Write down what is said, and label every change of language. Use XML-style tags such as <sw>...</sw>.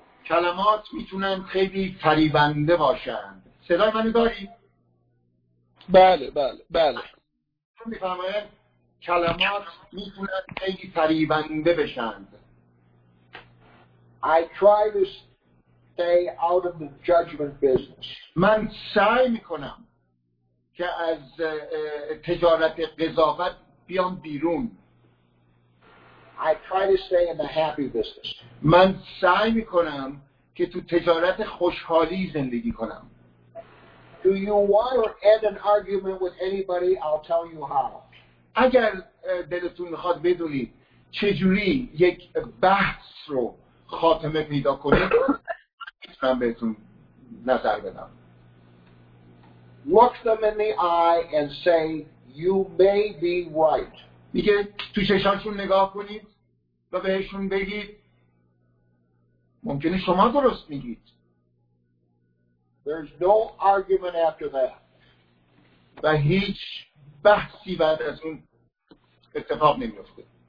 <fa>کلمات میتونن خیلی فریبنده باشن. صدای منو داری؟ بله بله بله. میفهمید؟ کلمات میتونن خیلی فریبنده بشن.</fa> <en>I try to stay out of the judgment business.</en> <fa>من سعی میکنم که از تجارت قضاوت بیام بیرون.</fa> <en>I try to stay in the happy business.</en> <fa>من سعی میکنم که تو تجارت خوشحالی زندگی کنم.</fa> <en>Do you want to end an argument with anybody? I'll tell you how.</en> <fa>اگر دلتون میخواد بدونید چجوری یک بحث رو خاتمه پیدا کنید، من بهتون نظر بدم.</fa> <en>Look them in the eye and say you may be right.</en> <fa>میگه تو چشاشون نگاه کنید و بهشون بگید ممکنه شما درست میگید.</fa> <en>There's no argument after that.</en> <fa>و هیچ بحثی بعد از اون اتفاق نمیفته.</fa>